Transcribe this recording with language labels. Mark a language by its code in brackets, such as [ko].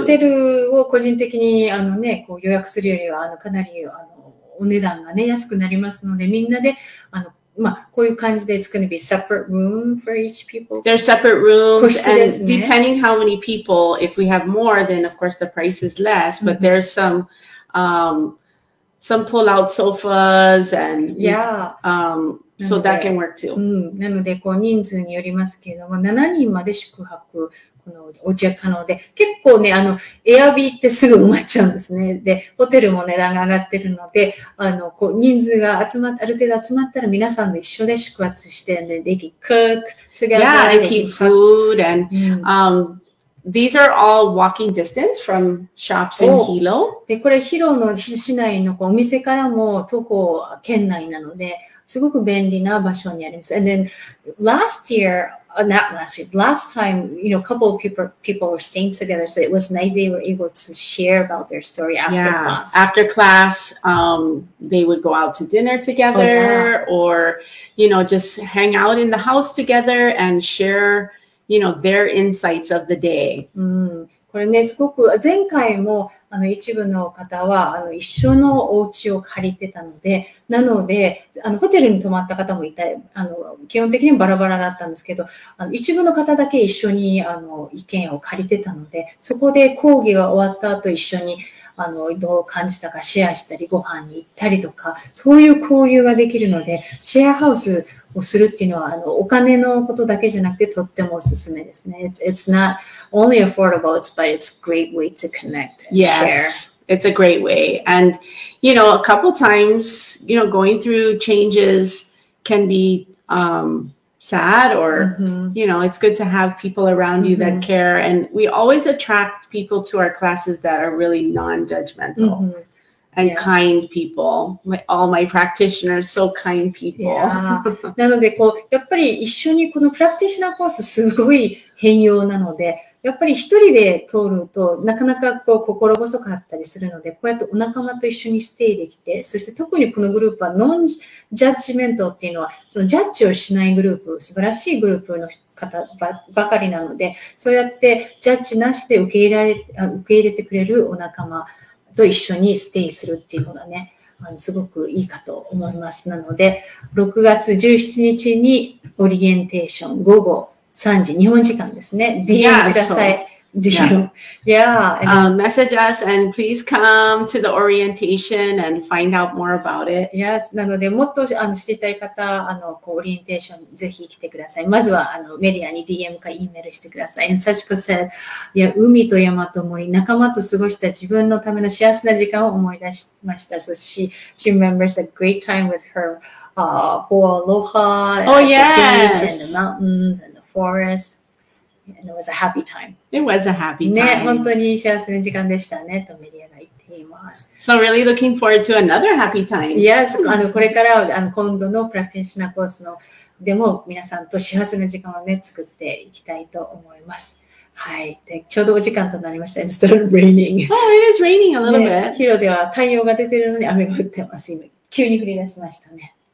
[ja] ホテルを個人的にこう予約するよりはかなりお値段がね安くなりますので、みんなでこういう感じで [en] it's going to be separate room for each people. There are separate rooms, and depending how many people, if we have more, then of course the price is less. But there's some pull-out sofas and So that can work too. [ja] なので、こう、人数によりますけれども、7人まで宿泊、このお家が可能で、結構ね、エアビーってすぐ埋まっちゃうんですね。で、ホテルも値段が上がってるので、こう、人数が集まって、ある程度集まったら、皆さんで一緒で宿泊して、ね、 [en] they can cook together. Yeah, they keep food and, These are all walking distance from shops in Hilo. [ja] で、これ、Hiloの市内のこうお店からも徒歩圏内なので、すごく便利な場所にあります。 [en] And then last year, not last year, last time, you know, a couple of people were staying together, so it was nice they were able to share about their story after class. Yeah, after class, they would go out to dinner together or, you know, just hang out in the house together and share, you know, their insights of the day. [ja] これね、すごく前回も一部の方は一緒のお家を借りてたので、なので、ホテルに泊まった方もいた、基本的にバラバラだったんですけど、一部の方だけ一緒に意見を借りてたので、そこで講義が終わった後一緒にどう感じたかシェアしたり、ご飯に行ったりとか、そういう交流ができるので、シェアハウスをするっていうのは、お金のことだけじゃなくて、とってもおすすめですね。 [en] It's not only affordable, but it's a great way to connect and share. Yes, it's a great way. And, you know, a couple times, you know, going through changes can be, sad or, you know, it's good to have people around you that care. And we always attract people to our classes that are really non-judgmental and kind people. All my practitioners, so kind people. [ja] なので、こう、やっぱり一緒にこのプラクティショナーコースすごい変容なので、やっぱり一人で通るとなかなかこう心細かったりするので、こうやってお仲間と一緒にステイできて、そして特にこのグループはノンジャッジメントっていうのは、そのジャッジをしないグループ、素晴らしいグループの方ばかりなので、そうやってジャッジなしで受け入れてくれるお仲間と一緒にステイするっていうのがね、すごくいいかと思いますなので、6月17日にオリエンテーション午後3時、日本時間ですね。 DM ください。 [en] Yeah, so, yeah. Message us and please come to the orientation and find out more about it. [ja] Yes, なので、もっと知りたい方、オリエンテーションぜひ来てください。まずはメディアに DM か E メールしてください。サチコ said, いや、海と山と森、仲間と過ごした自分のための幸せな時間を思い出しました。 [en] So she remembers a great time with her, for Aloha, oh, yes. the beach and the mountains and the forest. And it was a happy time. It was a happy time. [ja] ね、本当に幸せな時間でしたね、とメリアが言っています。 [en] So really looking forward to another happy time. [ja] Yes, これから今度のプラクティショナーコースのでも皆さんと幸せな時間をね、作っていきたいと思います。はい。で、ちょうどお時間となりました。 [en] It started raining. Oh, it is raining a little bit. [ja] 広、ね、では太陽が出てるのに雨が降ってます。今、急に降り出しましたね。